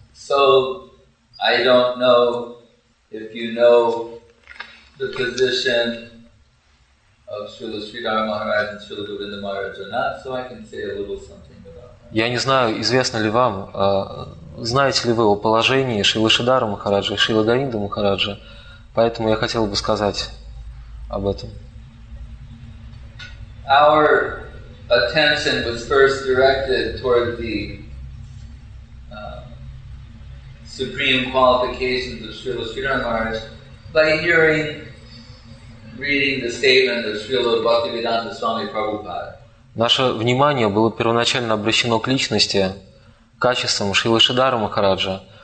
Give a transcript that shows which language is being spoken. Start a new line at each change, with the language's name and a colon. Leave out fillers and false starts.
English: So, I don't know if you know the position of Шрилу Шридхара Махараджи and Шрилу Говинда Махараджи or not, so I can say a little something about that.
Russian: Я не знаю, известно ли вам, знаете ли вы о положении Шрилы Шридхара Махараджи и Шрилы Говинда Махараджи. Поэтому я хотел бы сказать об этом.
English: Our attention was first directed toward the supreme qualifications of Srila Sridhar Maharaj by hearing, reading the statement of Srila Bhaktivedanta Swami Prabhupada.
Russian: Наше внимание было первоначально обращено к личности, качествам Шрилы Шридхара Махараджа.